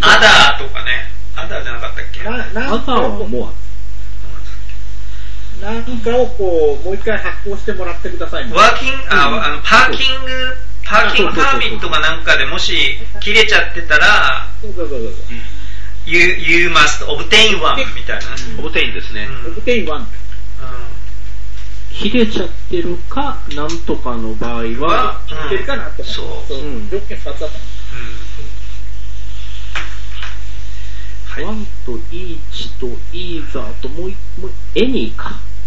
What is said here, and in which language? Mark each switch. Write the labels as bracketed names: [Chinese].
[Japanese] チ。アダーとかね。アダーじゃなかったっけ？アダーはモア。なんかをこう、もう一回発行してもらってください。ワーキング、パーキング、パーキングパーミットかなんかでもし切れちゃってたら、そう [English] you must obtain one [Japanese] みたいな。 obtain ですね。 [English] obtain one。 [Japanese] 切れちゃってるか、なんとかの場合は、切ってるかなって。そう。条件2つだった。ワンとイーチとイーザーと、もう、エニーか。